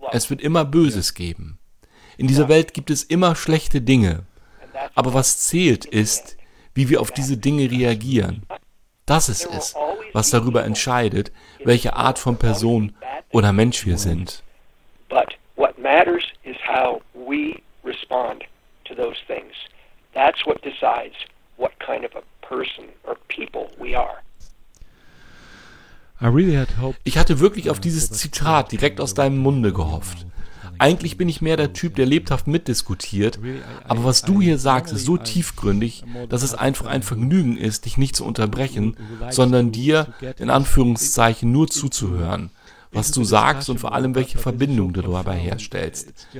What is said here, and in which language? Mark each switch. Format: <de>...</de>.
<de>Es wird immer Böses geben. In dieser Welt gibt es immer schlechte Dinge. Aber was zählt ist, wie wir auf diese Dinge reagieren. Das ist es, was darüber entscheidet, welche Art von Person oder Mensch wir sind.</de> <en>Matters is how we respond to those things. That's what decides what kind of a person or people we are.</en> <de>Ich hatte wirklich auf dieses Zitat direkt aus deinem Munde gehofft. Eigentlich bin ich mehr der Typ, der lebhaft mitdiskutiert, aber was du hier sagst, ist so tiefgründig, dass es einfach ein Vergnügen ist, dich nicht zu unterbrechen, sondern dir, in Anführungszeichen, nur zuzuhören, was du sagst und vor allem, welche Verbindung du dabei herstellst.</de>